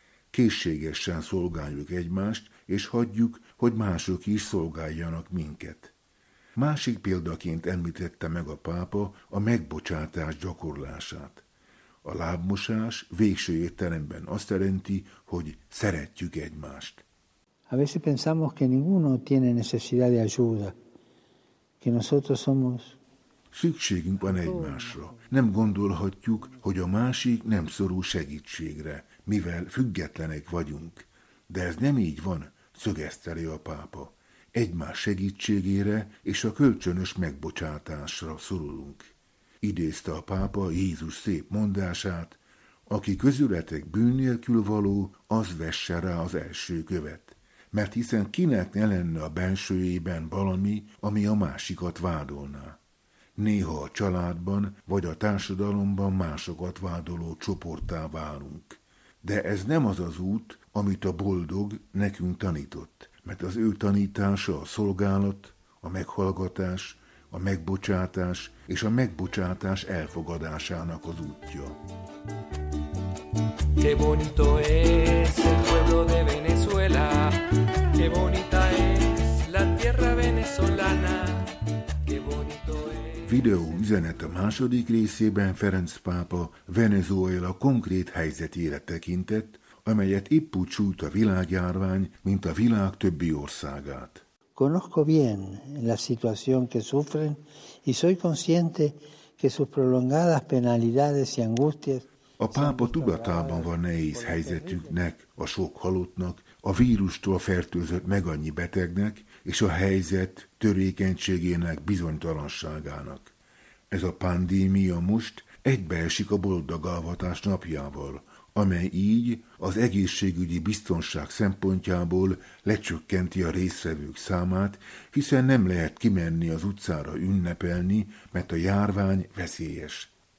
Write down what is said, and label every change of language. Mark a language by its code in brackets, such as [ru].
[hu] Készségesen szolgáljuk egymást, és hagyjuk, hogy mások is szolgáljanak minket. Másik példaként említette meg a pápa a megbocsátás gyakorlását. A lábmosás végső értelemben azt jelenti, hogy szeretjük egymást. [es] A veces pensamos que ninguno tiene necesidad de ayuda, que nosotros somos. [hu] Szükségünk van egymásra. Nem gondolhatjuk, hogy a másik nem szorul segítségre, mivel függetlenek vagyunk. De ez nem így van, szögezte le a pápa. Egymás segítségére és a kölcsönös megbocsátásra szorulunk. Idézte a pápa Jézus szép mondását, aki közületek bűn nélkül való, az vesse rá az első követ, mert hiszen kinek ne lenne a bensőjében valami, ami a másikat vádolná. Néha a családban vagy a társadalomban másokat vádoló csoporttá válunk. De ez nem az az út, amit a boldog nekünk tanított, mert az ő tanítása a szolgálat, a meghallgatás, a megbocsátás és a megbocsátás elfogadásának az útja. [es] Qué bonito es el pueblo de Venezuela, qué bonita es la tierra venezolana, qué bonito es. [hu] Videó üzenet a második részében Ferenc pápa Venezuela konkrét helyzetére tekintett, amelyet épp úgy sújt a világjárvány, mint a világ többi országát. [es] Conozco bien la situación que sufren y soy consciente que sus prolongadas penalidades y angustias. [hu] A pápa tudatában van nehéz helyzetüknek, a sok halottnak, a vírustól fertőzött meg annyi betegnek és a helyzet törékenységének bizonytalanságának. Ez a pandémia most egybeesik a boldogavatás napjával, amely így az egészségügyi biztonság szempontjából lecsökkenti a résztvevők számát, hiszen nem lehet kimenni az utcára ünnepelni, mert a járvány veszélyes.